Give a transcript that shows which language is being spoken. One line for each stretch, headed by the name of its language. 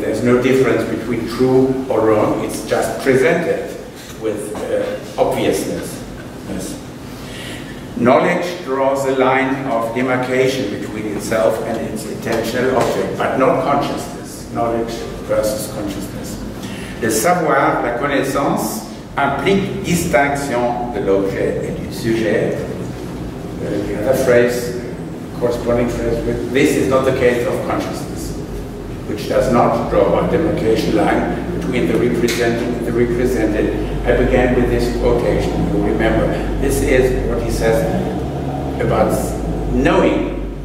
English: There's no difference between true or wrong, it's just presented with obviousness. Yes. Knowledge draws a line of demarcation between itself and its intentional object, but not consciousness. Knowledge versus consciousness.
French: Le savoir, la connaissance, implique distinction de l'objet et du sujet.
English: The other phrase, corresponding phrase, with this is not the case of consciousness, which does not draw a demarcation line between between the represented and the represented. I began with this quotation, you remember. This is what he says about knowing.